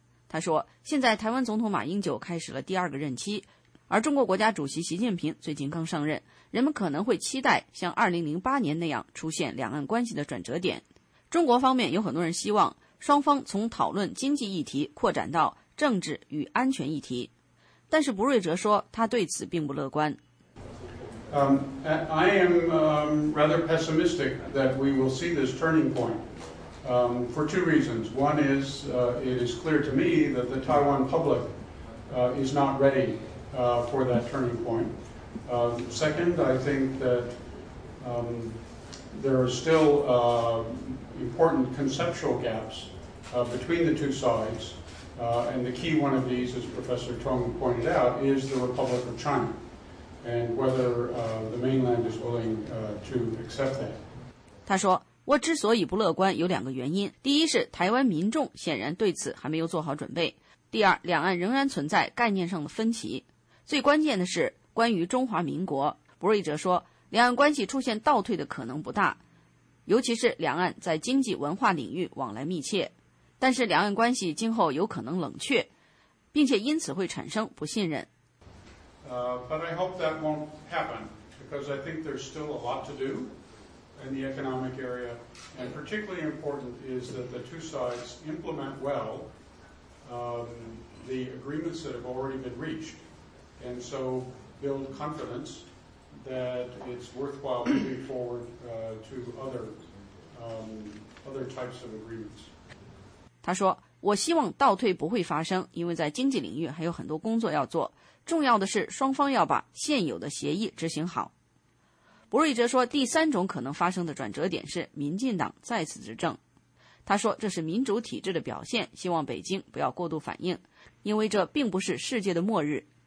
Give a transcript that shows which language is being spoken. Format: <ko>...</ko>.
<zh>他说，现在台湾总统马英九开始了第二个任期，而中国国家主席习近平最近刚上任，人们可能会期待像2008年那样出现两岸关系的转折点。中国方面有很多人希望双方从讨论经济议题扩展到政治与安全议题，但是博瑞哲说他对此并不乐观。</zh> <en>I am rather pessimistic that we will see this turning point for two reasons. One is it is clear to me that the Taiwan public is not ready for that turning point. Second, I think that there are still important conceptual gaps between the two sides, and the key one of these, as Professor Tong pointed out, is the Republic of China, and whether the mainland is willing to accept that.</en> <zh>他说，我之所以不乐观有两个原因，第一是台湾民众显然对此还没有做好准备，第二，两岸仍然存在概念上的分歧，最关键的是关于中华民国。博瑞哲说，两岸关系出现倒退的可能不大，尤其是两岸在经济文化领域往来密切，但是两岸关系今后有可能冷却，并且因此会产生不信任。</zh> <en>But I hope that won't happen, because I think there's still a lot to do in the economic area, and particularly important is that the two sides implement well the agreements that have already been reached, and so build confidence that it's worthwhile moving forward to other types of agreements.</en> <zh>他说，我希望倒退不会发生，因为在经济领域还有很多工作要做，重要的是双方要把现有的协议执行好。博瑞哲说，第三种可能发生的转折点是民进党再次执政。他说，这是民主体制的表现，希望北京不要过度反应，因为这并不是世界的末日。</zh>